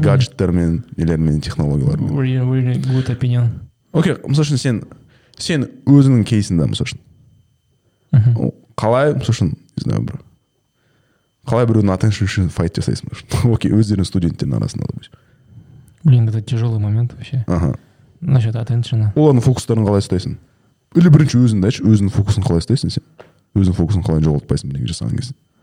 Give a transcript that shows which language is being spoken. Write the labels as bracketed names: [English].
[Kazakh] Гаджеттармен, нелермен, технологиялармен. [English] Really good opinion. [Kazakh] Окей, мысалы сен Сен өзіңнің кейсіңді мысалы. Қалай, мысалы, не знаю, бір. Қалай біреудің attention үшін fight жасайсың? Окей, өздерің студенттердің арасында да болсын. [Russian] Блин, это тяжелый момент вообще. Ага. Насчет attention. [Kazakh] Оларның фокустарын қалай ұстайсың? Или бірінші өзіңді айтшы, өзіңнің фокусын қалай ұстайсың сен? Өзің фокусын қалай жоғалтпайсың бірдеңе жасаған кезде?